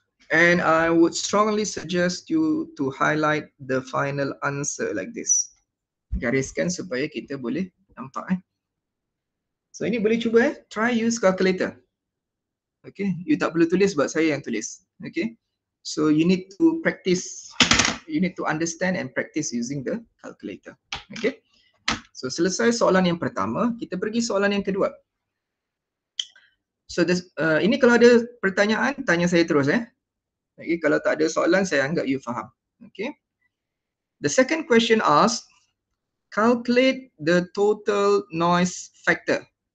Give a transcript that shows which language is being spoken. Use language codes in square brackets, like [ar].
[en] And I would strongly suggest you to highlight the final answer like this. [ms] Gariskan supaya kita boleh nampak eh. So ini boleh cuba eh. [en] Try use calculator. [ms] Okay. You tak perlu tulis sebab saya yang tulis. Okay. [en] So you need to practice. You need to understand and practice using the calculator. [ms] Okay. So selesai soalan yang pertama. Kita pergi soalan yang kedua. [en] So this, [ms] ini kalau ada pertanyaan, tanya saya terus eh. Okay. Kalau tak ada soalan, saya anggap you faham. Okay. [en] The second question asks, calculate the total noise factor.